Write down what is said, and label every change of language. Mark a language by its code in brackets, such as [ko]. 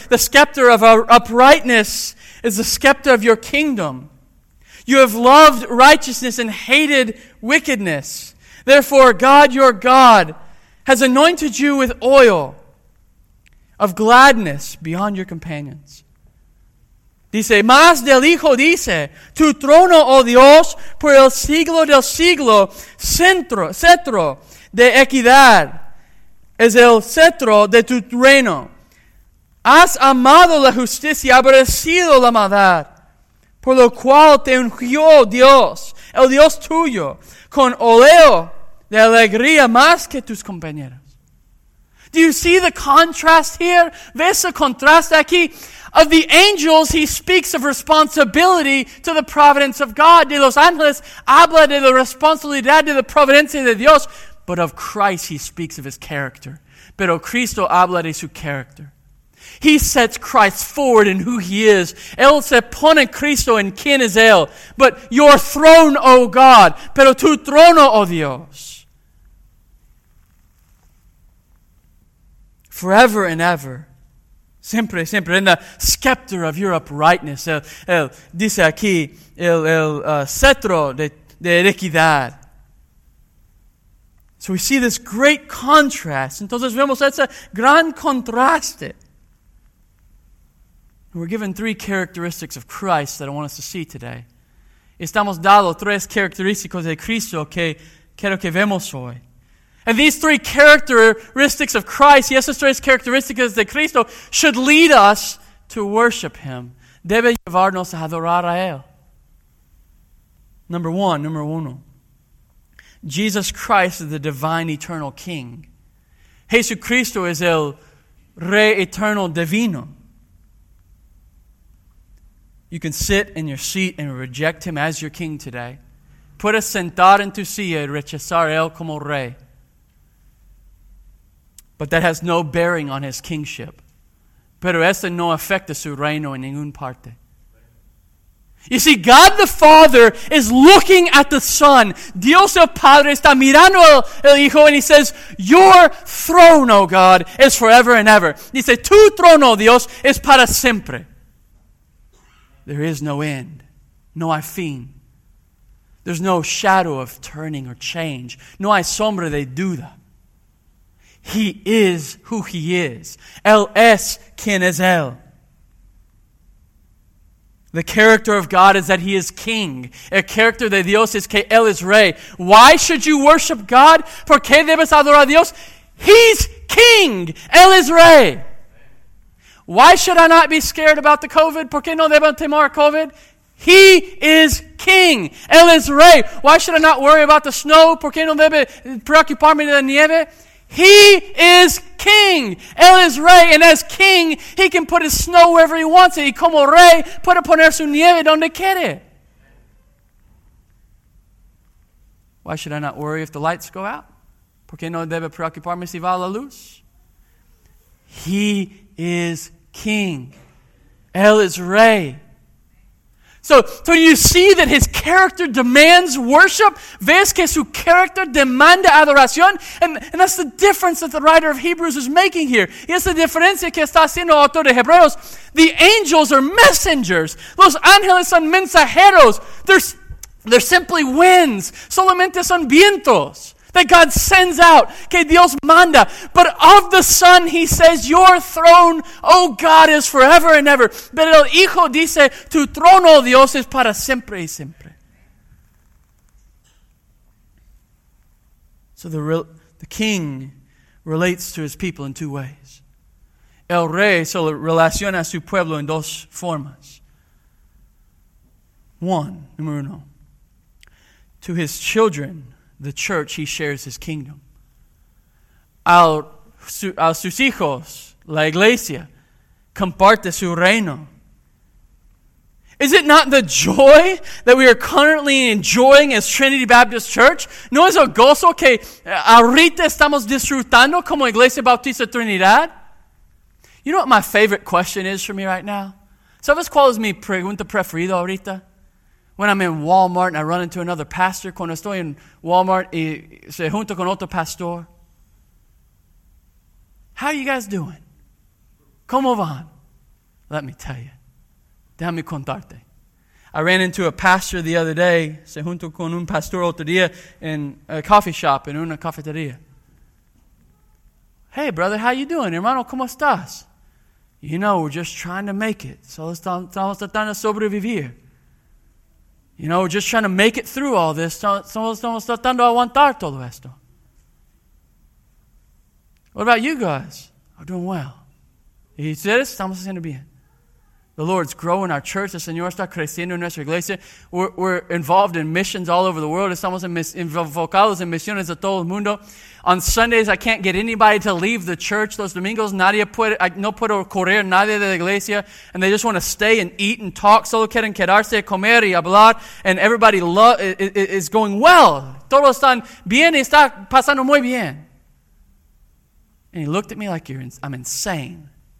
[en] The scepter of our uprightness is the scepter of your kingdom. You have loved righteousness and hated wickedness. Therefore, God, your God, has anointed you with oil of gladness beyond your companions. [es] Dice, más del Hijo dice, tu trono, oh Dios, por el siglo del siglo, cetro de equidad, es el cetro de tu reino. Has amado la justicia, aborrecido la maldad, por lo cual te ungió Dios, el Dios tuyo, con óleo de alegría más que tus compañeros. [en] Do you see the contrast here? [es] ¿Ves el contraste aquí? [en] Of the angels, he speaks of responsibility to the providence of God. [es] De los ángeles, habla de la responsabilidad de la providencia de Dios. [en] But of Christ, he speaks of his character. [es] Pero Cristo habla de su [en] character. He sets Christ forward in who he is. [es] Él se pone Cristo en quien es él. [en] But your throne, O God. [es] Pero tu trono, O Dios. [en] Forever and ever. [es] Siempre, siempre. [en] In the scepter of your uprightness. [es] El dice aquí, cetro de equidad. [en] So we see this great contrast. [es] Entonces vemos ese gran contraste. [en] We're given three characteristics of Christ that I want us to see today. [es] Estamos dado tres características de Cristo que quiero que vemos hoy. [en] And these three characteristics of Christ, [es] y esas tres características de Cristo, [en] should lead us to worship Him. [es] Debe llevarnos a adorar a Él. [en] Number [es] uno. [en] Jesus Christ is the divine eternal King. [es] Jesucristo es el Rey eterno divino. [en] You can sit in your seat and reject Him as your King today. [es] Puedes sentar en tu silla y rechazar a Él como Rey. [en] But that has no bearing on his kingship. [es] Pero eso no afecta su reino en ningún parte. [en] You see, God the Father is looking at the Son. [es] Dios el Padre está mirando al Hijo [en] and he says, your throne, O God, is forever and ever. [es] Dice, tu trono, Dios, es para siempre. [en] There is no end. [es] No hay fin. [en] There's no shadow of turning or change. [es] No hay sombra de duda. [en] He is who he is. [es] Él es quien es él. [en] The character of God is that he is king. [es] El character de Dios es que él es rey. Why should you worship God? ¿Por qué debes adorar a Dios? He's king. Él es rey. [en] Why should I not be scared about the COVID? [es] ¿Por qué no debo temer a COVID? [en] He is king. [es] Él es rey. [en] Why should I not worry about the snow? [es] ¿Por qué no debo preocuparme de la nieve? [en] He is king. [es] Él es rey. [en] And as king, he can put his snow wherever he wants it. [es] Y como rey, puede poner su nieve donde quiere. [en] Why should I not worry if the lights go out? [es] ¿Por qué no debe preocuparme si va la luz? [en] He is king. [es] Él es rey. [en] So you see that his character demands worship? [es] ¿Ves que su carácter demanda adoración? [en] And that's the difference that the writer of Hebrews is making here. [es] Y es la diferencia que está haciendo el autor de Hebreos. [en] The angels are messengers. [es] Los ángeles son mensajeros. [en] They're simply winds. [es] Solamente son vientos [en] that God sends out, [es] que Dios manda. [en] But of the Son, he says, your throne, O God, is forever and ever. [es] Pero el Hijo dice, tu trono, Dios, es para siempre y siempre. [en] So the king relates to his people in two ways. [es] El rey se relaciona a su pueblo en dos formas. [en] One, [es] número uno, [en] to his children, the church, he shares his kingdom. [es] A sus hijos, la iglesia, comparte su reino. [en] Is it not the joy that we are currently enjoying as Trinity Baptist Church? [es] ¿No es el gozo que ahorita estamos disfrutando como Iglesia Bautista Trinidad? [en] You know what my favorite question is for me right now? [es] ¿Sabes cuál es mi pregunta preferida ahorita? [en] When I'm in Walmart and I run into another pastor, [es] cuando estoy en Walmart y se junto con otro pastor, [en] how are you guys doing? [es] ¿Cómo van? [en] Let me tell you. [es] Déjame contarte. [en] I ran into a pastor the other day, [es] se junto con un pastor otro día [en] in a coffee shop, in [es] una cafetería. [en] Hey, brother, how you doing? [es] Hermano, ¿cómo estás? [en] You know, we're just trying to make it. [es] Solo estamos tratando de sobrevivir. [en] You know, we're just trying to make it through all this. [es] Estamos tratando de aguantar todo esto. [en] What about you guys? I'm doing well. [es] Y ustedes, estamos haciendo bien. [en] The Lord's growing our church. [es] El Señor está creciendo en nuestra iglesia. [en] We're involved in missions all over the world. [es] Estamos enfocados en misiones de todo el mundo. [en] On Sundays, I can't get anybody to leave the church. [es] Los domingos, no puedo correr nadie de la iglesia. [en] And they just want to stay and eat and talk. [es] Solo quieren quedarse, comer y hablar. [en] And everybody is going well. [es] Todos están bien y está pasando muy bien. [en] And he looked at me like I'm insane.